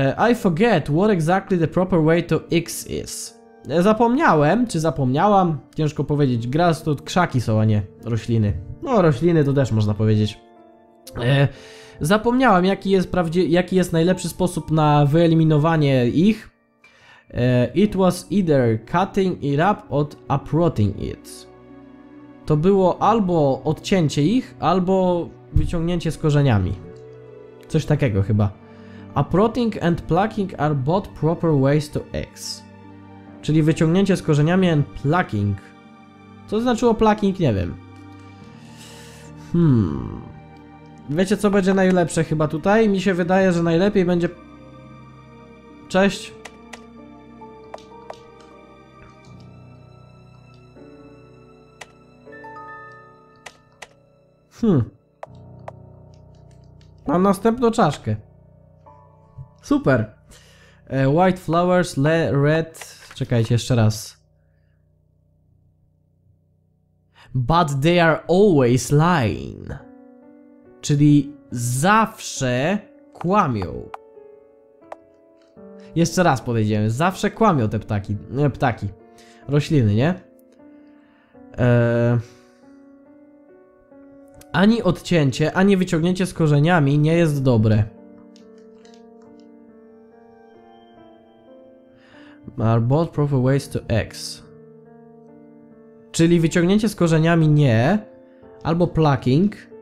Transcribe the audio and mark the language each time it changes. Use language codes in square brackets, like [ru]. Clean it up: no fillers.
[en] I forget what exactly the proper way to X is. [pl] Zapomniałem, czy zapomniałam, ciężko powiedzieć, grass to krzaki są, a nie rośliny. No, rośliny to też można powiedzieć. Zapomniałem, jaki jest najlepszy sposób na wyeliminowanie ich. [en] It was either cutting it up or uprooting it. [pl] To było albo odcięcie ich, albo wyciągnięcie z korzeniami. Coś takiego chyba. [en] Uprooting and plucking are both proper ways to X. [pl] Czyli wyciągnięcie z korzeniami [en] and plucking. [pl] Co to znaczyło plucking? Nie wiem. Wiecie, co będzie najlepsze chyba tutaj? Mi się wydaje, że najlepiej będzie... Cześć. Mam następną czaszkę. Super. [en] White flowers, red... [pl] Czekajcie, jeszcze raz. [en] But they are always lying. [pl] Czyli zawsze kłamią. Jeszcze raz powiedziałem, zawsze kłamią te ptaki. Nie, ptaki. Rośliny, nie? Ani odcięcie, ani wyciągnięcie z korzeniami nie jest dobre. [en] Are both proper ways to X. [pl] Czyli wyciągnięcie z korzeniami nie. Albo plucking.